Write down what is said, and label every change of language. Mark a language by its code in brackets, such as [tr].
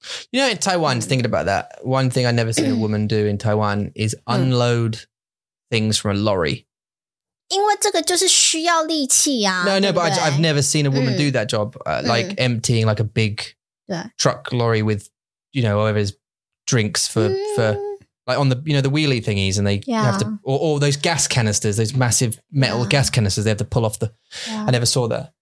[en] You know, in Taiwan, thinking about that, one thing I never seen a woman do in Taiwan is unload things from a lorry. [zh] 因为这个就是需要力气啊。 [en] No, no, [zh] 对不对？ [en] But I've never seen a woman do that job, like emptying like a big truck lorry with, you know, whatever is drinks for. Like on the, you know, the wheelie thingies and they have to, or those gas canisters, those massive metal gas canisters, they have to pull off the, I never saw that.